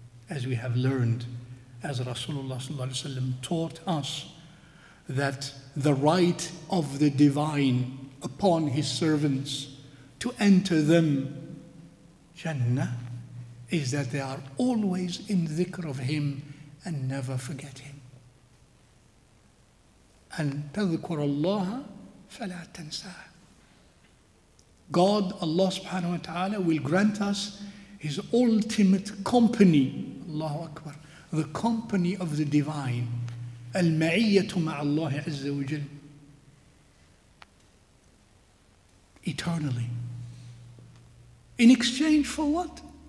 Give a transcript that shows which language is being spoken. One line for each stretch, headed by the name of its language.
English: As we have learned, as Rasulullah sallallahu alayhi wa sallam taught us, that the right of the divine upon his servants to enter them, Jannah, is that they are always in dhikr of him and never forget him.
Arabic: And تذكر الله فلا تنساه.
English: God, Allah subhanahu wa ta'ala, will grant us his ultimate company, Allahu Akbar, the company of the divine.
Arabic: Al-ma'iyyatu ma'a Allah Azza wa Jal.
English: Eternally. In exchange for what?